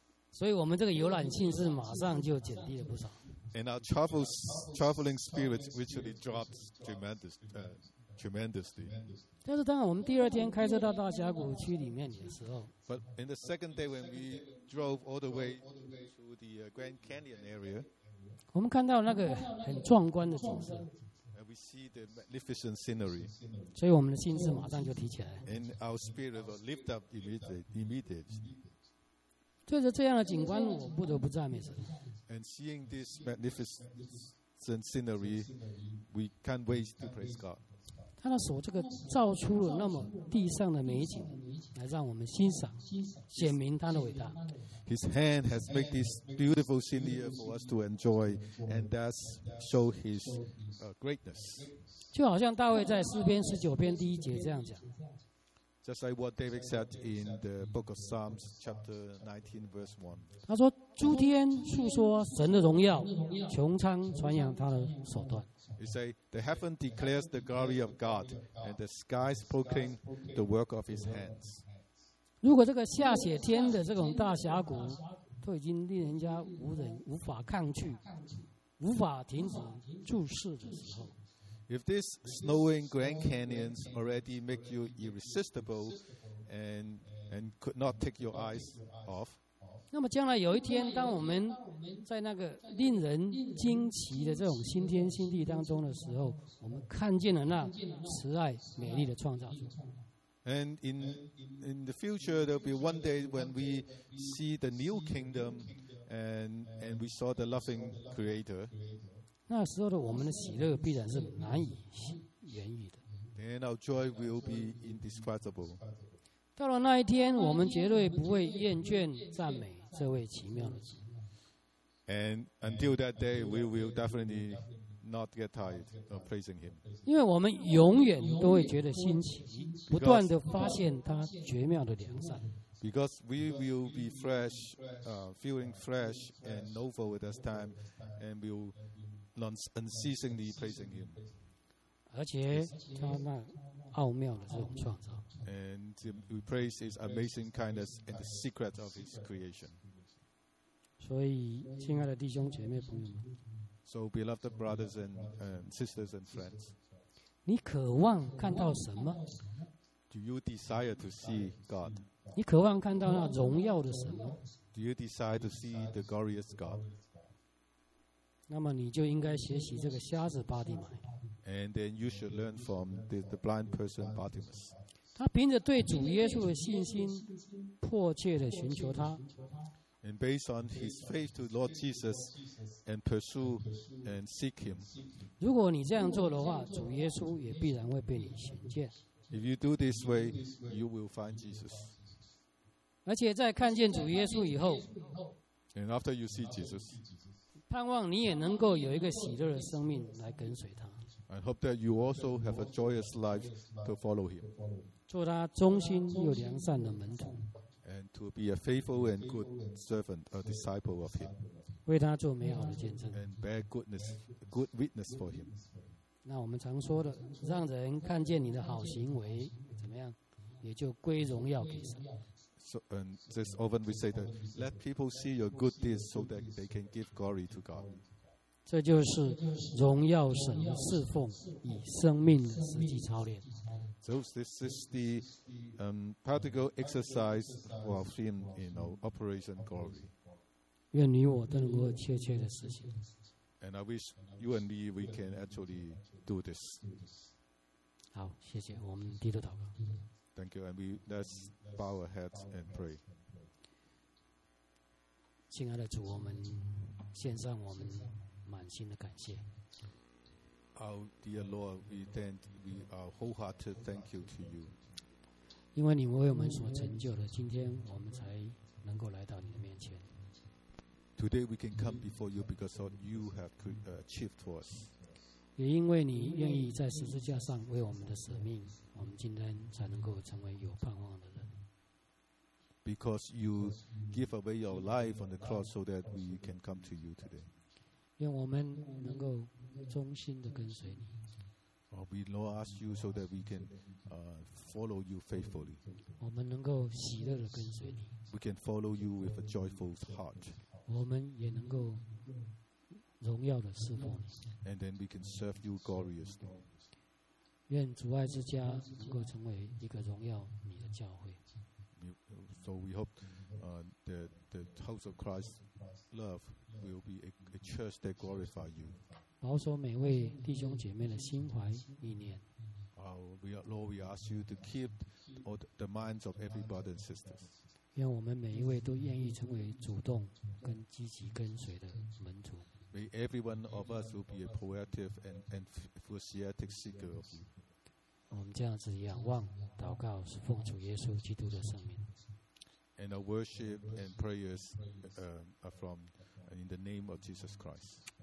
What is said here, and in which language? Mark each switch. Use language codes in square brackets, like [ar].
[zh] 所以我们这个游览性是马上就减低了不少。 [en] And our traveling spirit literally dropped tremendously, tremendously. [zh] 但是当我们第二天开车到大峡谷区里面的时候 [en] ，But in the second day when we drove all the way to the Grand Canyon area, [zh] 我们看到那个很壮观的景色 [en] ，And we see the magnificent scenery. [zh] 所以我们的心智马上就提起来 [en] ，And our spirit was lifted up immediately. [zh] 对着这样的景观，我不得不赞美神。 [en] And seeing this magnificent scenery, we can't wait to praise God. [zh] 他的手这个造出了那么地上的美景，来让我们欣赏，显明他的伟大。 [en] His hand has made this beautiful scenery for us to enjoy, and thus show his greatness. [zh] 就好像大卫在诗篇十九篇第一节这样讲。 [en] Just like what David said in the book of Psalms, chapter 19, verse 1. [zh] 他说：“诸天述说神的荣耀，穹苍传扬他的手段。” [en] He said, "The heaven declares the glory of God, and the skies proclaim the work of His hands." [zh] 如果这个下雪天的这种大峡谷，都已经令人家无人无法抗拒，无法停止注视的时候。 [en] If this snowing Grand Canyons already make you irresistible and could not take your eyes off, [zh] 那么将来有一天，当我们在那个令人惊奇的这种新天新地当中的时候，我们看见了那慈爱美丽的创造主。 [en] And in the future, there'll be one day when we see the new kingdom and we saw the loving Creator. [zh] 那时候的我们的喜乐必然是难以言喻的。 [en] Then our joy will be indescribable. [zh] 到了那一天，我们绝对不会厌倦赞美这位奇妙的主。 [en] And until that day, we will definitely not get tired of praising Him. [zh] 因为我们永远都会觉得新奇，不断地发现他绝妙的良善。 [en] Because we will be fresh, feeling fresh and novel at this time, and we'll. Unceasingly praising Him, [zh] 而且他那奥妙的这种创造 [en] and we praise His amazing kindness and the secret of His creation. [zh] 所以，亲爱的弟兄姐妹朋友们 [en] ，So beloved brothers and sisters and friends, [zh] 你渴望看到什么 [en] ？Do you desire to see God? [zh] 你渴望看到那荣耀的什么 [en] ？Do you desire to see the glorious God? [zh] 那么你就应该学习这个瞎子巴蒂买。 [en] And then you should learn from the blind person Bartimaeus. [zh] 他凭着对主耶稣的信心，迫切地寻求他。 [en] And based on his faith to Lord Jesus, and pursue and seek him. [zh] 如果你这样做的话，主耶稣也必然会被你显见。 [en] If you do this way, you will find Jesus. [zh] 而且在看见主耶稣以后 [en] ，And after you see Jesus. [zh] 盼望你也能够有一个喜乐的生命来跟随他。 [en] I hope that you also have a joyous life to follow him. [zh] 做他忠心又良善的门徒。 [en] And to be a faithful and good servant, a disciple of him. [zh] 为他做美好的见证。 [en] And bear goodness, good witness for him. [zh] 那我们常说的，让人看见你的好行为怎么样，也就归荣耀给神。 [en] So, and this often we say that let people see your good deeds so that they can give glory to God. [zh] 这就是荣耀神的侍奉以生命的实际操练。 [en] So this is the practical exercise of him, you know, Operation Glory. [zh] 愿你我都能够切切的实行。 [en] And I wish you and me we can actually do this. [zh] 好，谢谢，我们低头祷告。 [en] Thank you, and we let's bow our heads and pray. [zh] 亲爱的主，我们献上我们满心的感谢。 [en] Our dear Lord, we thank we our wholehearted thank you to you. [zh] 因为你为我们所成就的，今天我们才能够来到你的面前。 [en] Today we can come before you because of you have achieved for us. [zh] 也因为你愿意在十字架上为我们的舍命，我们今天才能够成为有盼望的人。 [en] Because you give away your life on the cross so that we can come to you today. [zh] 愿我们能够忠心的跟随你。 [en] We Lord ask you so that we can follow you faithfully. [zh] 我们能够喜乐的跟随你。 [en] We can follow you with a joyful heart. [zh] 我们也能够。荣耀的侍奉你 [en] and then we can serve you gloriously. [zh] 愿主爱之家能够成为一个荣耀你的教会。 [en] So we hope that the house of Christ's love will be a church that glorifies you. [zh] 保守每位弟兄姐妹的心怀意念。 [en] Lord, we ask you to keep the minds of every brother and sister. [zh] 愿我们每一位都愿意成为主动跟积极跟随的门徒。 [en] May every one of us will be a proactive and enthusiastic seeker of you. [zh] 我们这样子仰望祷告是奉主耶稣基督的圣名。 [en] And our worship and prayers are from in the name of Jesus Christ.